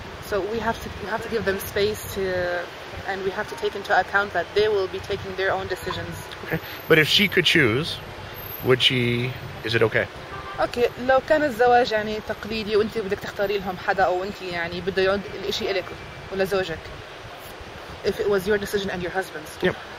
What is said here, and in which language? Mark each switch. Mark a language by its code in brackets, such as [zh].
[en] so we have to give them space to and we have to take into account that they will be taking their own decisions. Okay. But if she could choose, would she, is it okay? [ar] Okay, لو كان الزواج يعني تقليدي وانت بدك تختاري لهم حدا او انت يعني بده يعود الاشي الك ولا زوجك. [en] If it was your decision and your husband's.